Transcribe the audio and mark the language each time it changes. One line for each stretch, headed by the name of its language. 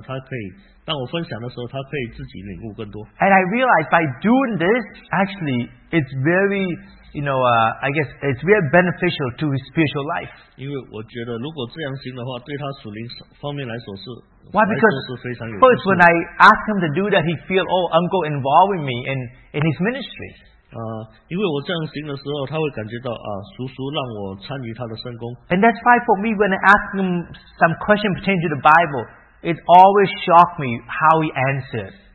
Chinese: 所以在星期三我们会有查经的时候，星期二我会叫我的侄儿去跟他分享，我会查哪一个圣经章节或者哪一段，他叫他去读。所以在星期三晚上呢，他可以当我分享的时候，他可以自己领悟更多。
English: And I realized by doing this, actually, it's very, you know, I guess it's very beneficial to his spiritual life.
Chinese: 因为我觉得如果这样行的话，对他属灵方面来说是。
English: Why? Because first, when I ask him to do that, he feel, oh, uncle involving me in his ministry.
Chinese: 因为我这样行的时候，他会感觉到叔叔让我参与他的圣工。
English: And that's why for me, when I ask him some question pertaining to the Bible, it always shocked me how he answered.